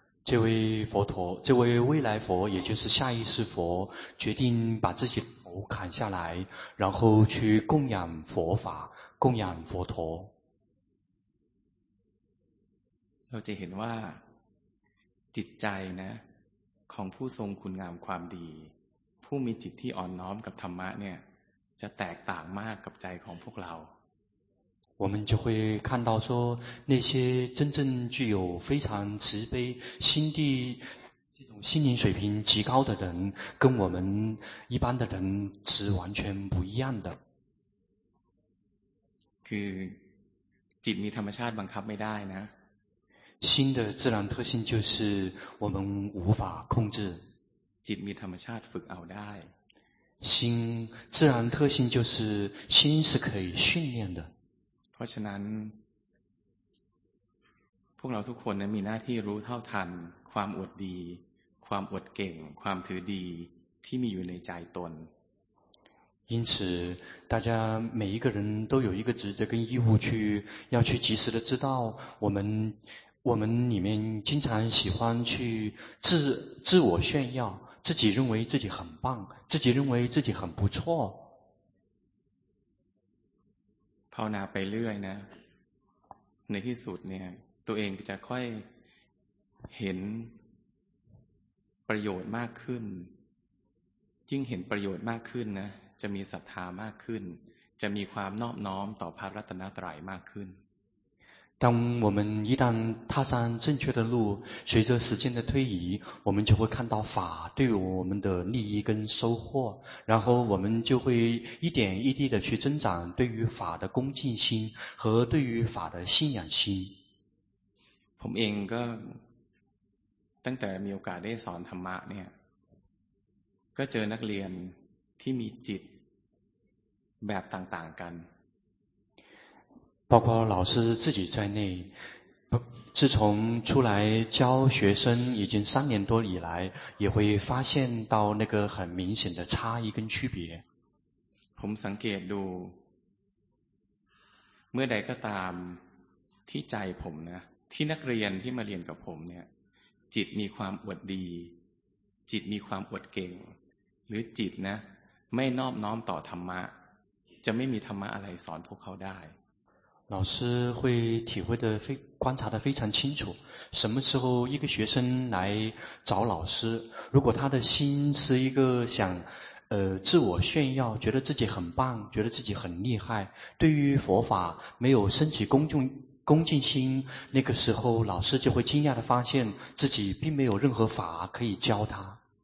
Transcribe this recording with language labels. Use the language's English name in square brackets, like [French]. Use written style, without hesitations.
[Chinese] 这位佛陀这位未来佛也就是下一世佛决定把自己的头砍下来然后去供养佛法供养佛陀 [Thai] เราจะเห็นว่าจิตใจนะของผู้ทรงคุณงามความดีผู้มีจิตที่อ่อนน้อมกับธรรมะเนี่ยจะแตกต่างมากกับใจของพวกเรา [Chinese] 我们就会看到说那些真正具有非常慈悲心地这种心灵水平极高的人跟我们一般的人是完全不一样的 [Thai] คือจิตมีธรรมชาติบังคับไม่ได้นะ [Chinese] 心的自然特性就是我们无法控制 [Thai] จิตมีธรรมชาติฝึกเอาได้ [Chinese] 心自然特性就是心是可以训练的 [Thai] เพราะฉะนั้นพวกเราทุกคนนั้นมีหน้าที่รู้เท่าทันความอวดดีความอวดเก่งความถือดีที่มีอยู่ในใจตน [Chinese] 因此大家每一个人都有一个职责跟义务去要去及时的知道我们里面经常喜欢去自我炫耀自己认为自己很棒自己认为自己很不错 [Thai] ภาวนาไปเรื่อยนะในที่สุดเนี่ยตัวเองจะค่อยเห็นประโยชน์มากขึ้นยิ่งเห็นประโยชน์มากขึ้นนะจะมีศรัทธามากขึ้นจะมีความนอบน้อมต่อพระรัตนตรัยมากขึ้น [Chinese] 当我们一旦踏上正确的路随着时间的推移我们就会看到法对我们的利益跟收获然后我们就会一点一滴的去增长对于法的恭敬心和对于法的信仰心 [Thai] ผมเองก็ตั้งแต่มีโอกาสได้สอนธรรมะเนี่ยก็เจอนักเรียนที่มีจิตแบบต่างๆกัน [Chinese] 包括老师自己在内自从出来教学生已经三年多以来也会发现到那个很明显的差异跟区别 [Thai] ผมสังเกตดูเมื่อใดก็ตามที่ใจผมนะที่นักเรียนที่มาเรียนกับผมเนี่ยจิตมีความอวดดีจิตมีความอวดเก่งหรือจิตนะไม่นอบน้อมต่อธรรมะจะไม่มีธรรมะอะไรสอนพวกเขาได้ [Chinese] 老师会体会的非观察的非常清楚什么时候一个学生来找老师如果他的心是一个想自我炫耀觉得自己很棒觉得自己很厉害对于佛法没有升起恭敬心那个时候老师就会惊讶地发现自己并没有任何法可以教他